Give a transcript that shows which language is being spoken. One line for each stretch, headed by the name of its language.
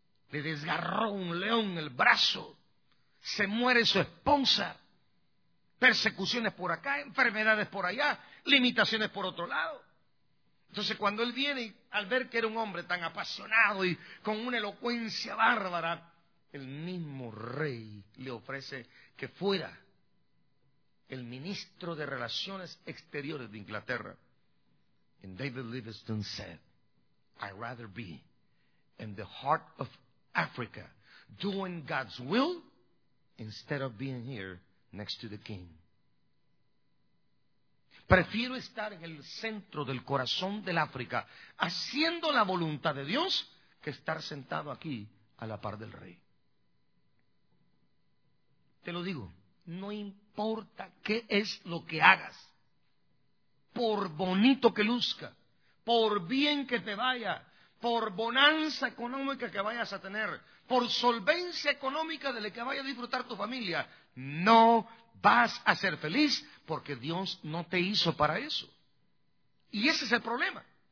Spanish: Le desgarró un león el brazo, se muere su esposa, persecuciones por acá, enfermedades por allá, limitaciones por otro lado. Entonces cuando él viene, al ver que era un hombre tan apasionado y con una elocuencia bárbara, el mismo rey le ofrece que fuera el ministro de Relaciones Exteriores de Inglaterra.
English: And David Livingstone said, I'd rather be in the heart of Africa doing God's will instead of being here next to the king.
Spanish: Prefiero estar en el centro del corazón del África haciendo la voluntad de Dios que estar sentado aquí a la par del rey. Te lo digo, no importa qué es lo que hagas, por bonito que luzca, por bien que te vaya, por bonanza económica que vayas a tener, por solvencia económica de la que vaya a disfrutar tu familia, no vas a ser feliz porque Dios no te hizo para eso. Y ese es el problema.